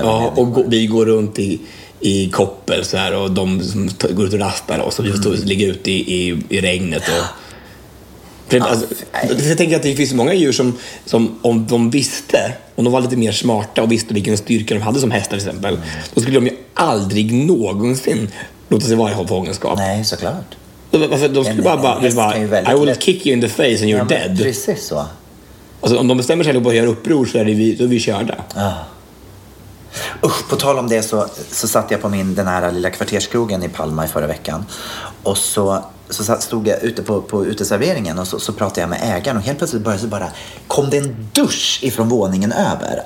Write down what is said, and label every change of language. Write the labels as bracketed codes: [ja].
[sv] ja, och vi går runt i koppel så här, och de som går ut och raspar och så vi står och ligger ute i regnet och jag tänker att det finns många djur som om de visste, om de var lite mer smarta och visste vilken styrka de hade som hästar till exempel, då skulle de ju aldrig någonsin låta sig vara i fångenskap. Nej, såklart. De skulle bara [en] I will kick you in the face and you're dead. [sv] Precis så. Alltså, om de bestämmer sig att bara göra uppror så är vi körda. På tal om det så satt jag på den här lilla kvarterskrogen i Palma i förra veckan. Och så stod jag ute på uteserveringen och så pratade jag med ägaren. Och helt plötsligt började bara, kom det en dusch ifrån våningen över.